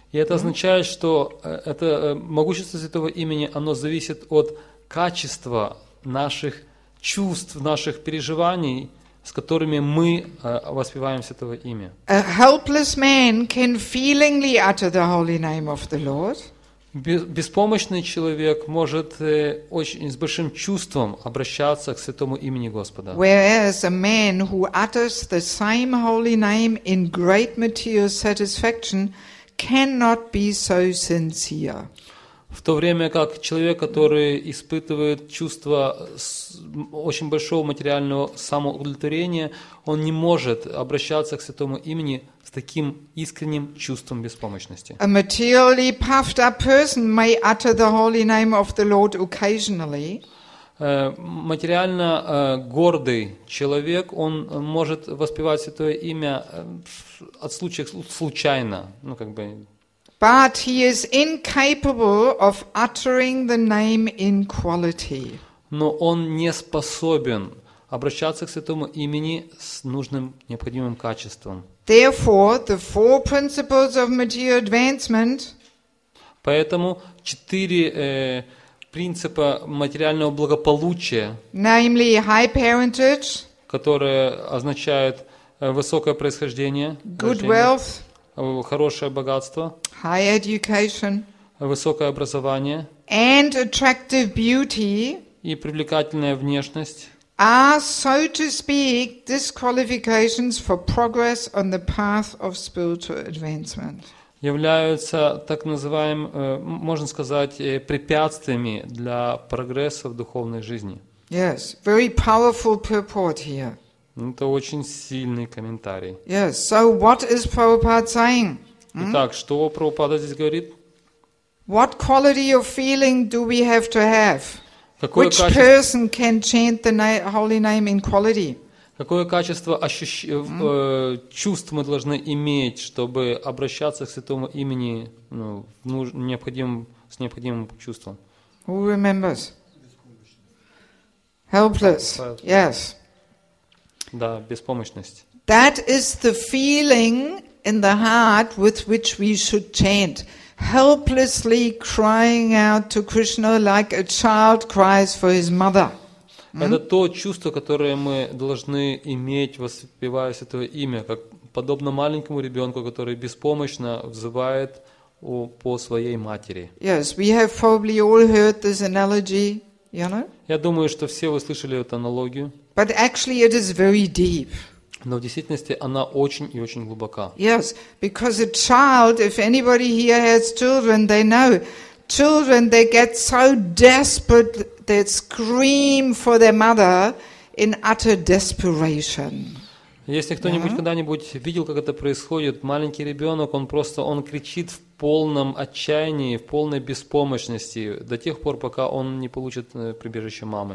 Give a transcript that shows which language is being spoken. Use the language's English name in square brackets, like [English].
[Russian] И это означает, что это могущество Святого Имени, оно зависит от качества наших чувств, наших переживаний, с которыми мы воспеваем Святого Имя. [English] A helpless man can feelingly utter the holy name of the Lord. [Russian] Беспомощный человек может очень, с большим чувством обращаться к Святому Имени Господа. [English] Whereas a man who utters the same holy name in great material satisfaction cannot be so sincere. [Russian] В то время как человек, который испытывает чувство очень большого материального самоудовлетворения, он не может обращаться к Святому Имени с таким искренним чувством беспомощности. [English] A materially puffed up person may utter the holy name of the Lord occasionally. [Russian] Материально гордый человек, он может воспевать Святое Имя от случая случайно, ну как бы. [English] But he is incapable of uttering the name in quality. [Russian] Но он не способен обращаться к Святому Имени с нужным необходимым качеством. [English] Therefore, the four principles of material advancement. [Russian] Поэтому четыре принципа материального благополучия, [English] namely high parentage, [Russian] которое означает высокое происхождение, [English] good wealth, [Russian] хорошее богатство, [English] high education, [Russian] высокое образование, [English] and attractive beauty, [Russian] и привлекательная внешность, [English] are, so to speak, disqualifications for progress on the path of spiritual advancement. [Russian] Являются так называемыми, можно сказать, препятствиями для прогресса в духовной жизни. [English] Yes, very powerful purport here. [Russian] Это очень сильный комментарий. [English] Yes, so what is Prabhupada saying? [Russian] Итак, что Прабхупада здесь говорит? [English] What quality of feeling do we have to have? [Russian] Какое [English] Which [Russian] качество? [English] Person can chant the holy name in quality? [Russian] Какое качество чувств мы должны иметь, чтобы обращаться к Святому Имени, ну, с необходимым чувством? [English] Who remembers? Helpless. Yes. [Russian] Да, беспомощность. [English] That is the feeling in the heart with which we should chant, helplessly crying out to Krishna like a child cries for his mother. [Russian] Это то чувство, которое мы должны иметь, воспевая Святое Имя, как подобно маленькому ребенку, который беспомощно взывает по своей матери. [English] Yes, we have probably all heard this analogy, you know? [Russian] Я думаю, что все вы слышали эту аналогию. [English] But actually it is very deep. [Russian] Но в действительности она очень и очень глубока. [English] Yes, because a child, if anybody here has children, they know, children, they get so desperate, they scream for their mother in utter desperation. [Russian] Если кто-нибудь когда-нибудь видел, как это происходит, маленький ребенок, он кричит в полном отчаянии, в полной беспомощности до тех пор, пока он не получит прибежище мамы.